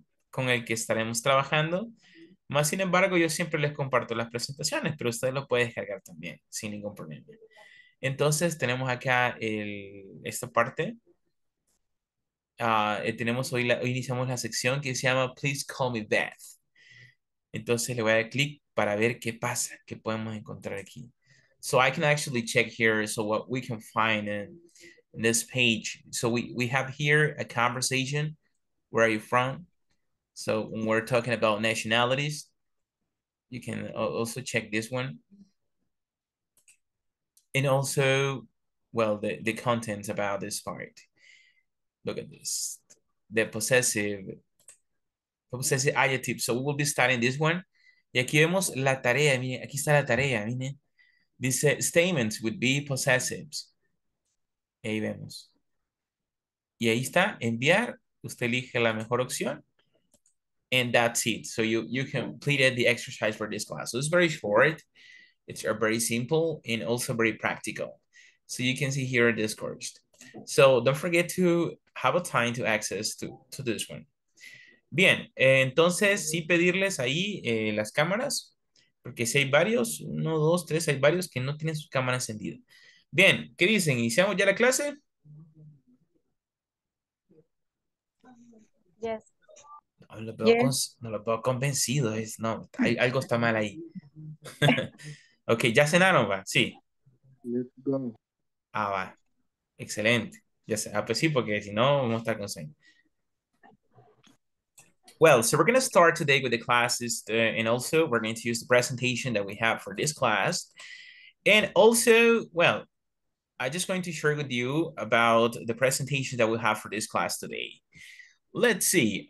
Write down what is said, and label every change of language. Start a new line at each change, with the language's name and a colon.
Spanish: Con el que estaremos trabajando. Más sin embargo, yo siempre les comparto las presentaciones, pero usted lo puede descargar también sin ningún problema. Entonces, tenemos acá esta parte. Tenemos hoy iniciamos la sección que se llama Please Call Me Beth. Entonces, le voy a dar clic para ver qué pasa, qué podemos encontrar aquí.
English: So, I can actually check here, so what we can find in this page. So, we have here a conversation. Where are you from? So when we're talking about nationalities, you can also check this one. And also, well, the contents about this part. Look at this, the possessive adjective. So we will be starting this one.
Spanish: Y aquí vemos la tarea, mire, aquí está la tarea, mire. Dice,
English: statements would be possessives.
Spanish: Ahí vemos. Y ahí está, enviar, usted elige la mejor opción.
English: And that's it. So you completed the exercise for this class. So it's very short. It's very simple and also very practical. So you can see here in this course. So don't forget to have a time to access to this one.
Spanish: Bien, entonces sí pedirles ahí las cámaras, porque si hay varios, uno, dos, tres, hay varios que no tienen sus cámaras encendidas. Bien, ¿qué dicen? ¿Iniciamos ya la clase?
English: Yes.
Spanish: No lo veo, yeah. No lo veo convencido, es, no, hay, algo está mal ahí. Ok, ¿ya cenaron, va? Sí.
English: Let's go.
Spanish: Ah, va. Excelente. Ya sé. Ah, pues sí, porque si no, vamos a estar con sueño.
English: Well, so we're going to start today with the classes, and also we're going to use the presentation that we have for this class. And also, well, I'm just going to share with you about the presentation that we have for this class today. Let's see.